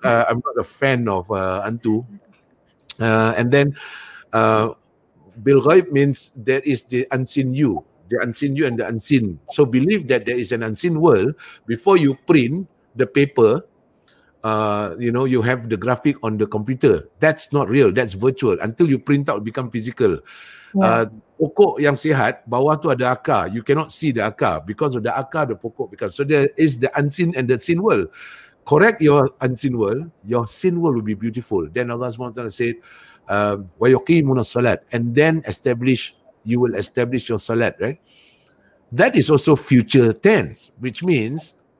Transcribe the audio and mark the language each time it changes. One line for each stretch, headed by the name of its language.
English: I'm not a fan of antu. And then
Arabic: bil ghaib
English: means there is the unseen you and the unseen. So believe that there is an unseen world before you print the paper. You know, you have the graphic on the computer. That's not real. That's virtual. Until you print out, become physical.
Malay: Pokok yang sihat, bawah tu ada akar.
English: You cannot see the akar. Because of the akar, the pokok becomes. So there is the unseen and the seen world. Correct your unseen world, your seen world will be beautiful. Then Allah SWT said,
Arabic: wa yuqimuna salat.
English: And then establish your salat, right? That is also future tense, which means